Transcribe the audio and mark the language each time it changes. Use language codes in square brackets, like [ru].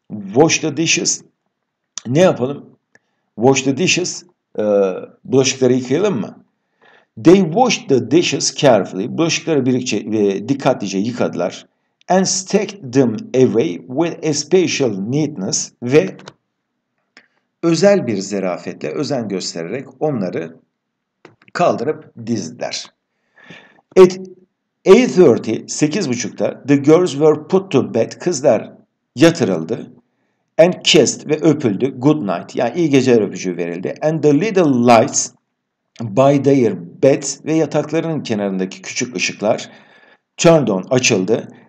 [en] Wash the dishes. [tr] Ne yapalım? [en] Wash the dishes. [tr] Bulaşıkları yıkayalım mı? [en] They washed the dishes carefully. [tr] Bulaşıkları birlikte dikkatlice yıkadılar. [en] And stacked them away with a special neatness. [tr] Ve özel bir zarafetle, özen göstererek onları kaldırıp dizdiler. [en] At 8:30, 8:30'da the girls were put to bed. [tr] Kızlar yatırıldı. [en] And kissed [tr] ve öpüldü. [en] Good night. [tr] Yani iyi geceler öpücüğü verildi. [en] And the little lights by their beds [tr] ve yataklarının kenarındaki küçük ışıklar [en] turned on, [tr] açıldı.